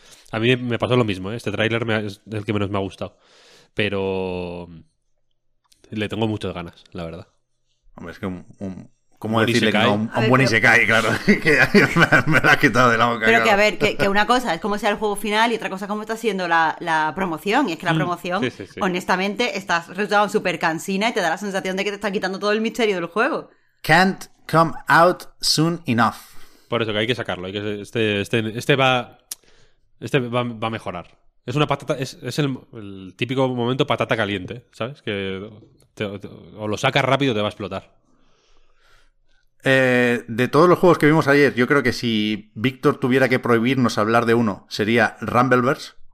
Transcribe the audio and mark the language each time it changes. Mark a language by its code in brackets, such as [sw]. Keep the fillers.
[es] A mí me pasó lo mismo. ¿eh? Este tráiler es el que menos me ha gustado. Pero le tengo muchas ganas, la verdad. Hombre, es que un, un... ¿Cómo decirle que un buen cae claro. Que me, me la has quitado de la boca. Pero acaba. que a ver, que, que una cosa es cómo sea el juego final y otra cosa es cómo está siendo la, la, promoción. Y es que la promoción, mm, sí, sí, sí. honestamente, estás resultando súper cansina y te da la sensación de que te está quitando todo el misterio del juego. [en] Can't come out soon enough. [es] Por eso que hay que sacarlo. Hay que, este, este, este, va. Este va, va, a mejorar. Es una patata. Es, es el, el, típico momento patata caliente, ¿sabes? Que te, te, o lo sacas rápido te va a explotar. Eh, de todos los juegos que vimos ayer, yo creo que si Víctor tuviera que prohibirnos hablar de uno, sería Rumbleverse.